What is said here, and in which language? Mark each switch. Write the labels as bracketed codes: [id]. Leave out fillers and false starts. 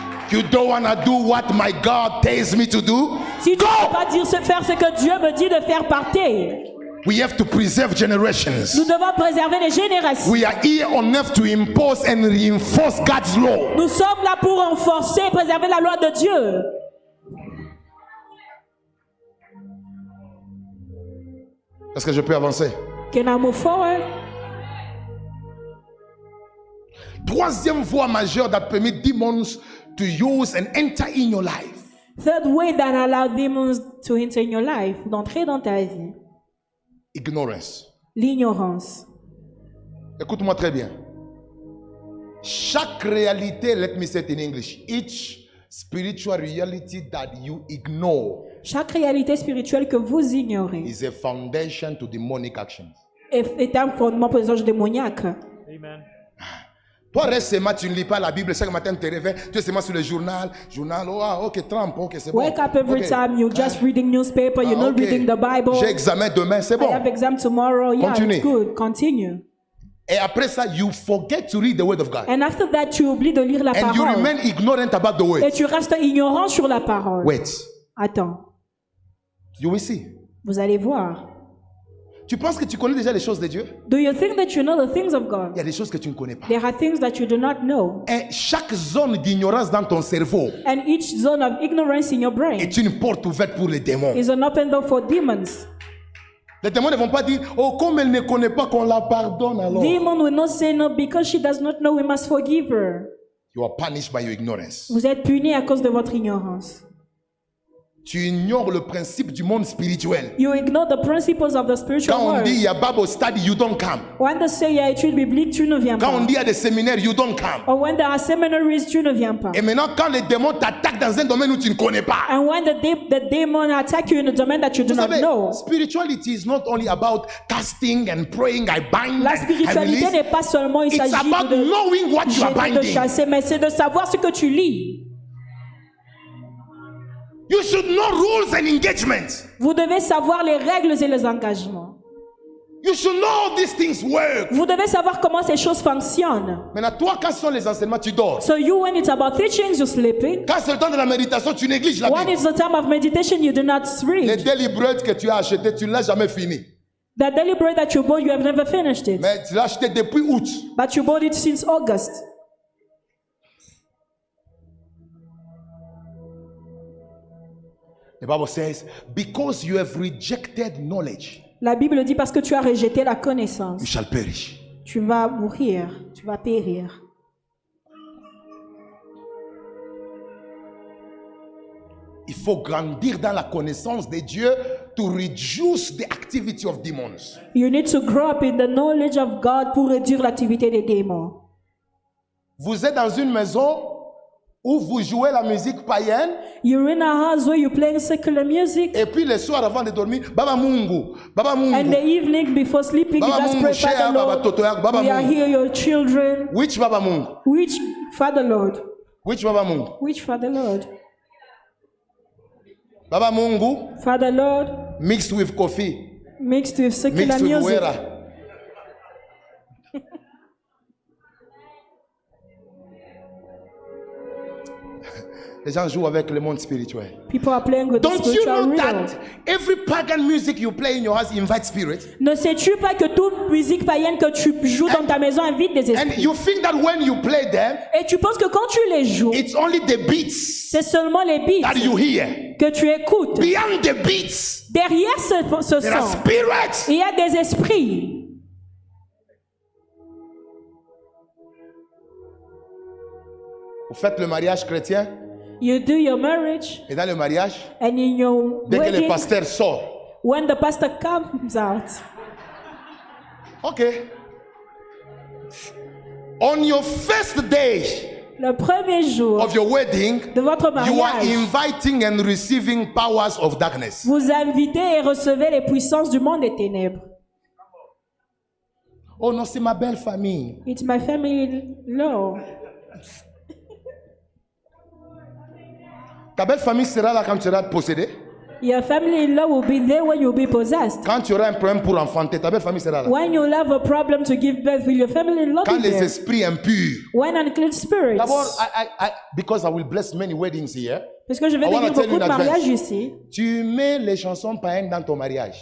[en] You don't want to do what my God tells me to do? Si go! [fr] Tu ne peux pas dire faire ce que Dieu me dit de faire, partez. [en] We have to preserve generations. [fr] Nous devons préserver les générations. [en] We are here on earth to impose and reinforce God's law. [fr] Nous sommes là pour renforcer et préserver la loi de Dieu. Est-ce que je peux avancer? [en] Can I move forward? [fr] Troisième voie majeure [en] that permit demons to use and enter in your life. Third way that allows demons to enter in your life, [fr] d'entrer dans ta vie. [en] Ignorance. [fr] L'ignorance. Écoute-moi très bien. Chaque réalité, [en] let me say it in English, each spiritual reality that you ignore. [fr] Chaque réalité spirituelle que vous ignorez. [en] Is a foundation to demonic actions. [fr] Est un fondement pour les anges démoniaques. [en] Amen. [fr] Toi reste seulement, tu ne lis pas la Bible, chaque matin tu te réveilles, tu es seulement sur le journal, ok, Trump, ok, c'est bon. [en] Wake up every okay. time, you're just reading newspaper, you're not reading the Bible. [fr] J'ai examen demain, c'est bon. [en] I have exam tomorrow, continue. Yeah, it's good, continue. [fr] Et après ça, [en] you forget to read the word of God. And after that, [fr] tu oublies de lire la [en] and [fr] parole. [en] And you remain ignorant about the word. [fr] Et tu restes ignorant sur la parole. [en] Wait. [fr] Attends. [en] You will see. [fr] Vous allez voir. Tu penses que tu connais déjà les choses de Dieu? [en] Do you think that you know the things of God? [fr] Il y a des choses que tu ne connais pas. [en] There are things that you do not know. [fr] Et chaque zone d'ignorance dans ton cerveau. [en] And each zone of ignorance in your brain. [fr] Est une porte ouverte pour les démons. [en] Is an open door for demons. [fr] Les démons ne vont pas dire, oh, comme elle ne connaît pas, qu'on la pardonne alors. [en] Demon will not say no because she does not know. We must forgive her. You are punished by your ignorance. [fr] Vous êtes puni à cause de votre ignorance. Tu ignores le principe du monde spirituel. [en] You ignore the principles of the spiritual world. [fr] Quand on dit il y a [en] Bible study, you don't come. When they say [fr] il y a étude biblique, tu ne viens pas. Quand on dit il y a des séminaires, [en] you don't come. Or when there are seminaries, [fr] tu ne viens pas. Et maintenant, quand les démons t'attaquent dans un domaine où tu ne connais pas. [en] And when the demon attack you in a domain that you do not know. Spirituality is not only about casting and praying. I bind. [fr] La spiritualité n'est pas seulement il s'agit [en] de. It's about knowing what you are binding. [fr] De chasser, mais c'est de savoir ce que tu lis. [en] You should know rules and engagements. [fr] Vous devez savoir les règles et les engagements. [en] You should know how these things work. [fr] Vous devez savoir comment ces choses fonctionnent. Maintenant, toi, quand sont les enseignements, tu dors. [en] So you, when it's about teachings, you're sleeping. [fr] Quand c'est le temps de la méditation, tu négliges la Bible. [en] When it's the time of meditation, you do not read. [fr] Les deliberates que tu as achetés, tu ne l'as jamais fini. [en] The deliberate that you bought, you have never finished it. [fr] Mais tu l'as acheté depuis août. [en] But you bought it since August. The Bible says, because you have rejected knowledge. [fr] La Bible dit parce que tu as rejeté la connaissance. [en] You shall perish. [fr] Tu vas mourir. Tu vas périr. Il faut grandir dans la connaissance de Dieu [en] to reduce the activity of demons. You need to grow up in the knowledge of God [fr] pour réduire l'activité des démons. Vous êtes dans une maison où vous jouez la musique païenne. [en] You're in a house where you're playing secular music. [fr] Et puis le soir avant de dormir, [sw] Baba Mungu, Baba Mungu. [en] And the evening before sleeping, [sw] Baba [en] you just pray, Father Lord. [sw] Baba Toto yako, Baba [en] we [sw] Mungu. [en] Are here, your children. Which Baba Mungu? Which Father Lord? Which Baba Mungu? Which Father Lord? [sw] Baba Mungu. [en] Father Lord. Mixed with coffee. Mixed with secular music. Mixed with music. Wera. [fr] Les gens jouent avec le monde spirituel. [en] People are playing with don't the spiritual you know realm. That every pagan music you play in your house invites spirits? [fr] Ne sais-tu pas que toute musique païenne que tu joues dans ta maison invite des esprits? [en] And you think that when you play them, [fr] et tu penses que quand tu les joues, [en] it's only the beats. [fr] C'est seulement les beats [en] that you hear. [fr] Que tu écoutes. [en] Beyond the beats, [fr] derrière ce son, [en] there are spirits. [fr] Il y a des esprits. Vous faites le mariage chrétien? [en] You do your marriage. [fr] Et dans le mariage, [en] and in your [fr] dès [en] wedding, [fr] que le pasteur sort, [en] when the pastor comes out. Okay. On your first day, [fr] le premier jour [en] of your wedding, [fr] de votre mariage, [en] you are inviting and receiving powers of darkness. [fr] Vous invitez et recevez les puissances du monde des ténèbres. Oh non, c'est ma belle famille. [en] It's my family law. [fr] Ta belle famille sera là quand tu seras possédé. [en] Your family in law will be there when you'll be possessed. [fr] Quand tu auras un problème pour enfanter, ta belle famille sera là. [en] When you have a problem to give birth, will your family in law be there? [fr] Quand les esprits impurs. [en] When unclean spirits. [fr] D'abord, [en] I because I will bless many weddings here. [fr] Parce que je vais bénir beaucoup de mariages ici. Tu mets les chansons païennes dans ton mariage.